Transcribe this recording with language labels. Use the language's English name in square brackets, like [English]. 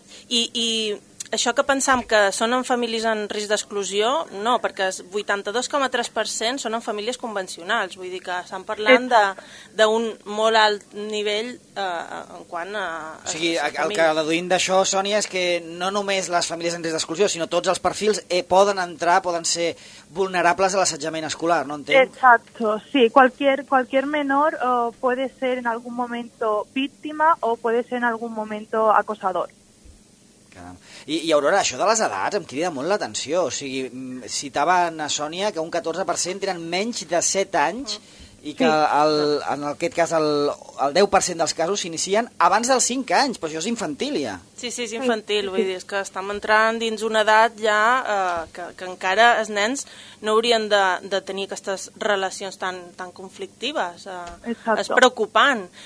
[Catalan] I això que pensam que són en famílies en risc d'exclusió, no, perquè el 82,3% són en famílies convencionals. Vull dir que estan parlant d'un molt alt nivell en quant a... O sigui, el que deduïm d'això, Sònia, és que no només les famílies en risc d'exclusió, sinó tots els perfils poden ser vulnerables a l'assetjament escolar, no entenc? [Spanish] Exacto, sí. Cualquier menor puede ser en algún momento víctima o puede ser en algún momento acosador. [Catalan] I Aurora, això de les edats em crida molt l'atenció. O sigui, citava na Sònia que un 14% tenen menys de 7 anys i que en aquest cas el 10% dels casos s'inicien abans dels 5 anys, però això és infantil ja. Sí, sí, és infantil, vull dir, és que estem entrant dins una edat ja que encara els nens no haurien de tenir aquestes relacions tan conflictives. És preocupant.